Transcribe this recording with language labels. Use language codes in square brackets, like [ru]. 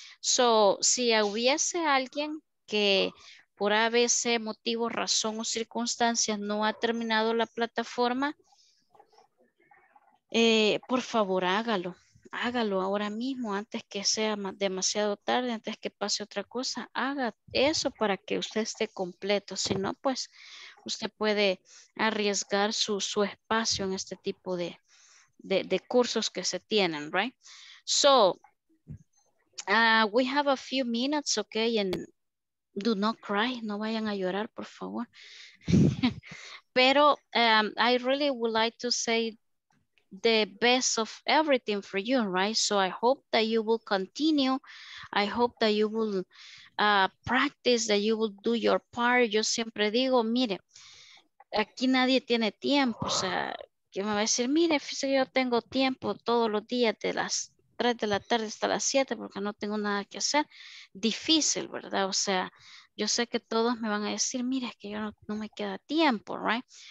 [es] So, si hubiese alguien que por ABC, motivo, razón o circunstancias no ha terminado la plataforma, por favor hágalo, hágalo ahora mismo, antes que sea demasiado tarde, antes que pase otra cosa, haga eso para que usted esté completo, si no, pues usted puede arriesgar su espacio en este tipo de cursos que se tienen, right? [en] So, we have a few minutes, okay, and do not cry, [es] no vayan a llorar, por favor. [en] Pero I really would like to say the best of everything for you, right? So I hope that you will continue. I hope that you will practice, that you will do your part. [es] Yo siempre digo, mire, aquí nadie tiene tiempo. O sea, que me va a decir, mire, fíjese que yo tengo tiempo todos los días de las 3 de la tarde hasta las 7 porque no tengo nada que hacer. Difícil, ¿verdad? O sea, yo sé que todos me van a decir, mire, es que yo no me queda tiempo, right?